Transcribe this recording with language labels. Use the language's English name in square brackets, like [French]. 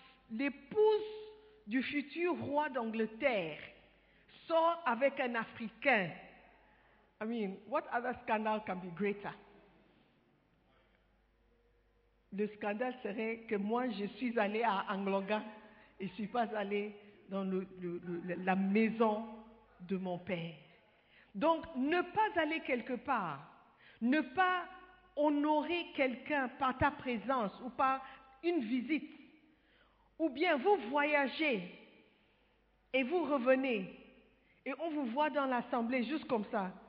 [French] L'épouse du futur roi d'Angleterre sort avec un Africain. [English] I mean, what other scandal can be greater? [French] Le scandale serait que moi, je suis allée à Angloga et je ne suis pas allée dans la maison de mon père. Donc, ne pas aller quelque part, ne pas honorer quelqu'un par ta présence ou par une visite, ou bien vous voyagez et vous revenez et on vous voit dans l'assemblée juste comme ça.